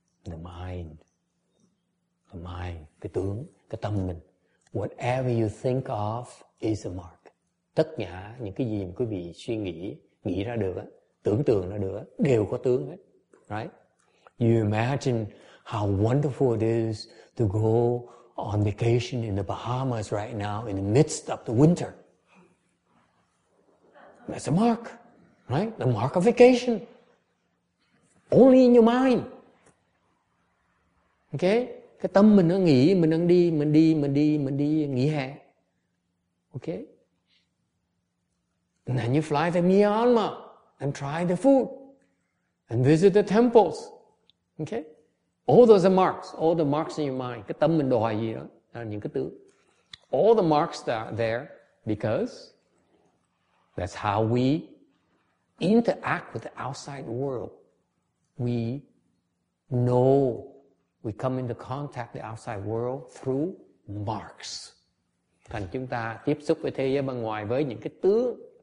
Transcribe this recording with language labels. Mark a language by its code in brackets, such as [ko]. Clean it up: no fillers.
[vi] The mind, cái tướng, cái tâm mình. [en] Whatever you think of is a mark. [vi] Tất cả những cái gì mà quý vị suy nghĩ, nghĩ ra được, tưởng tượng ra được, đều có tướng hết. [en] Right? You imagine how wonderful it is to go on vacation in the Bahamas right now in the midst of the winter. That's a mark, right? The mark of vacation. Only in your mind. Okay? [vi] Cái tâm mình nó nghĩ, mình đang đi, mình đi, mình đi, mình đi, nghỉ hè. [en] Okay? And then you fly to Myanmar and try the food and visit the temples. Okay? All those are marks. All the marks in your mind. [vi] Cái tâm mình đòi gì đó, là những cái tướng. [en] All the marks that are there because that's how we interact with the outside world. We know, we come into contact with the outside world through marks. [vi] Thành chúng ta tiếp xúc với thế giới bên ngoài với những cái tướng.